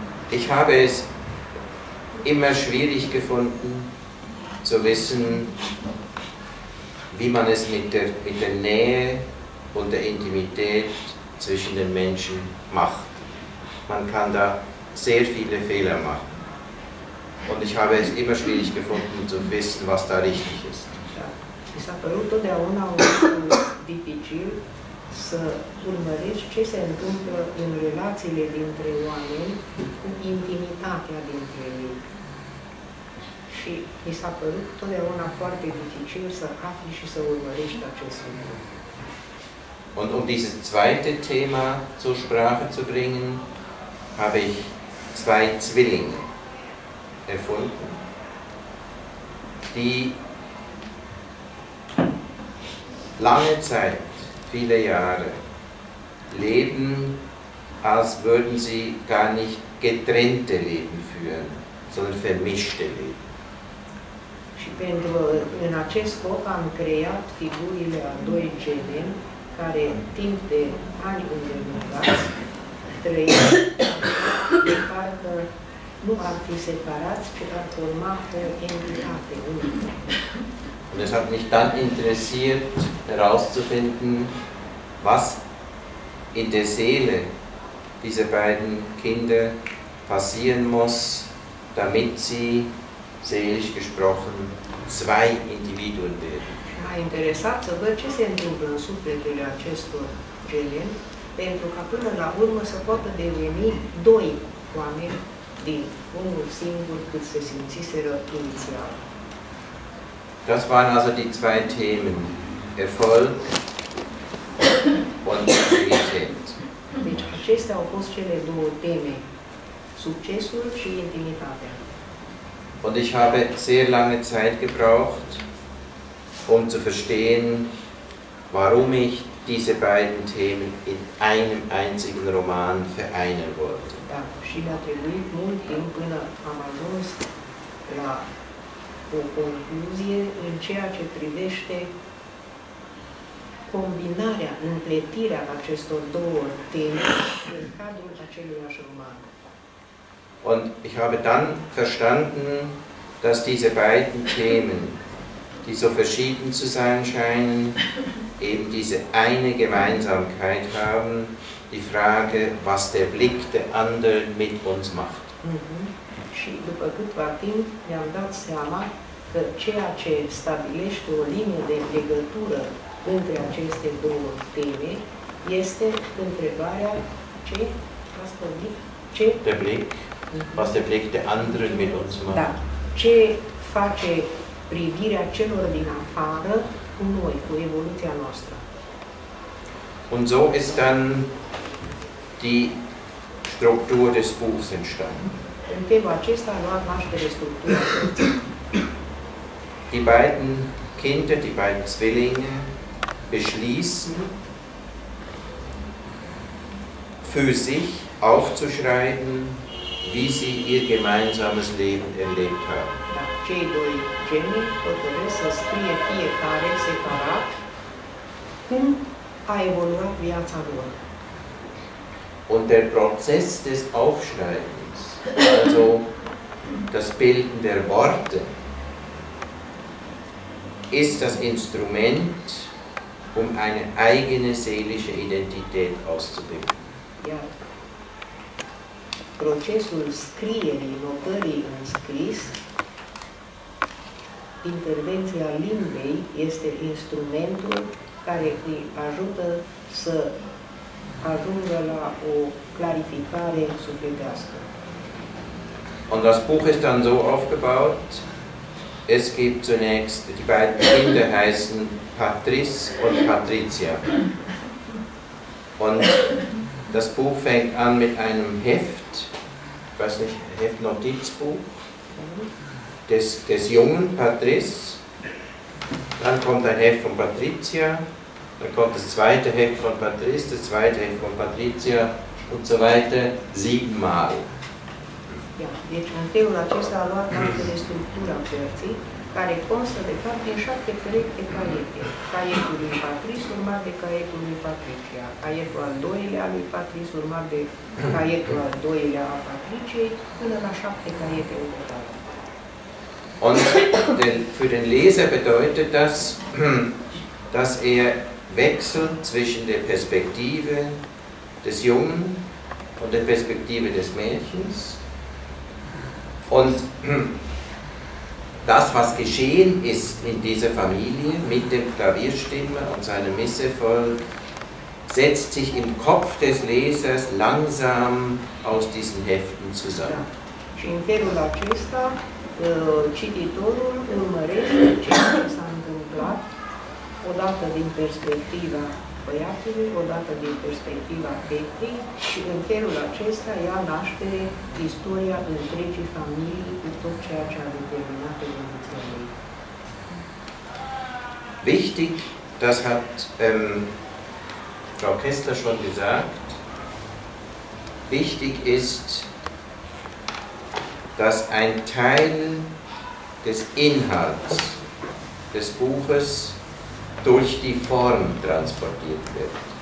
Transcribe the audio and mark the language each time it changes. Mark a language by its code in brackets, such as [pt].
[de] Ich habe es immer schwierig gefunden zu wissen, wie man es mit der Nähe und der Intimität zwischen den Menschen macht. Man kann da sehr viele Fehler machen. Und ich habe es immer schwierig gefunden zu wissen, was da richtig ist. [ro] Mi s-a părut totdeauna un dificil să urmăresc ce se întâmplă în relațiile dintre oameni cu intimitatea dintre ei. Și mi s-a părut totdeauna foarte dificil să afli și să urmărești acest lucru. [de] Und um dieses zweite Thema zur Sprache zu bringen, habe ich zwei Zwillinge erfunden, die lange Zeit, viele Jahre, leben, als würden sie gar nicht getrennte Leben führen, sondern vermischte Leben. [ro] Și pentru în acest scop am creat figurile a doi gemeni care timp de ani îndelungați trăiau de parcă nu ar fi separați, ci ar forma o entitate unică. [de] Und es hat mich dann interessiert herauszufinden, was in der Seele dieser beiden Kinder passieren muss, damit sie seelisch gesprochen zwei Individuen werden. Ja, interessant, [ro] să văd ce se întâmplă în sufletele acestor gemeni, pentru ca până la urmă să poată deveni doi oameni din unul singur cât se simțiseră inițial. [de] Das waren also die zwei Themen, Erfolg und Intimität. [ro] Deci acestea au fost cele două teme, succesul și intimitatea. [de] Und ich habe sehr lange Zeit gebraucht, um zu verstehen, warum ich diese beiden Themen in einem einzigen Roman vereinen wollte. [ro] Da, și mi-a trebuit mult timp până am ajuns la o concluzie în ceea ce privește combinarea, împletirea acestor două teme în cadrul aceluiași roman. [de] Und ich habe dann verstanden, dass diese beiden Themen, die so verschieden zu sein scheinen, eben diese eine Gemeinsamkeit haben, die Frage, was der Blick der anderen mit uns macht. [ro] Și după câtva timp mi-am dat seama că ceea ce stabilește o linie de legătură între aceste două teme este întrebarea ce asta ce [de] de blick. Was der Blick der anderen mit uns macht. [ro] Da. Ce face privirea celor din afară cu noi, cu evoluția noastră. [de] Und so ist dann die Struktur des Buchs entstanden. [ro] În felul acesta a luat naștere structura. [de] Die beiden Kinder, die beiden Zwillinge, beschließen für sich aufzuschreiben, wie sie ihr gemeinsames Leben erlebt haben. Und der Prozess des Aufschreibens, also das Bilden der Worte, ist das Instrument, um eine eigene seelische Identität auszubilden. [ro] Procesul scrierii, notării în scris, intervenția limbei este instrumentul care îi ajută să ajungă la o clarificare sufletească. [de] Und das Buch ist dann so aufgebaut, es gibt zunächst, die beiden Kinder heißen Patrice und Patricia. Und das Buch fängt an mit einem Heft, ich weiß nicht, Heftnotizbuch des jungen Patrice. Dann kommt ein Heft von Patricia, dann kommt das zweite Heft von Patrice, das zweite Heft von Patricia und so weiter, siebenmal. [ro] Ja, deci în felul acesta a luat naștere structura cărții, care constă de fapt din șapte perechi de caiete. Caietul lui Patrice urmat de caietul lui Patricia, caietul al doilea lui Patrice urmat de caietul al doilea a Patriciei, până la șapte caiete în total. [de] Und für den Leser bedeutet das, dass er wechselt zwischen der Perspektive des Jungen und der Perspektive des Mädchens. Und das, was geschehen ist in dieser Familie mit dem Klavierstimmer und seinem Misserfolg, setzt sich im Kopf des Lesers langsam aus diesen Heften zusammen. [ro] Și în felul acesta, cititorul urmărește ce s-a întâmplat, odată din perspectiva băiatului, odată din perspectiva fetei, și în felul acesta ia naștere istoria întregii familii cu tot ceea ce a determinat evoluția lui. [de] Wichtig Das hat Frau Kessler schon gesagt. Wichtig ist, dass ein Teil des Inhalts des Buches durch die Form transportiert wird.